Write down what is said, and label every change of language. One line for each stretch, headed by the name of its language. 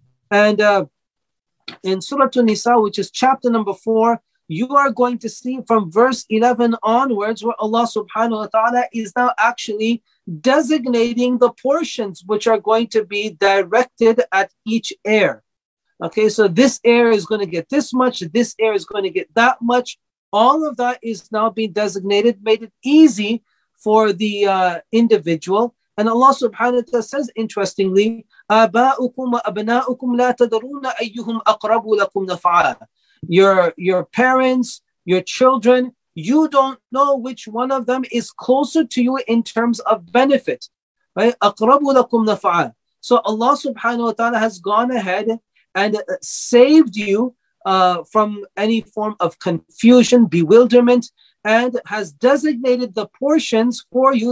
English: And in Surah An-Nisa, which is chapter number 4, you are going to see from verse 11 onwards where Allah subhanahu wa ta'ala is now actually designating the portions which are going to be directed at each heir. Okay, so this heir is going to get this much, this heir is going to get that much. All of that is now being designated, made it easy for the individual. And Allah subhanahu wa ta'ala says, interestingly,
Arabic: أَبَاؤُكُمْ وَأَبْنَاؤُكُمْ لَا تَدَرُونَ أَيُّهُمْ أَقْرَبُ لَكُمْ نَفْعًا.
English: Your parents, your children, you don't know which one of them is closer to you in terms of benefit.
Arabic: Right? أَقْرَبُ لَكُمْ نَفْعًا.
English: So Allah subhanahu wa ta'ala has gone ahead and saved you from any form of confusion, bewilderment, and has designated the portions for you.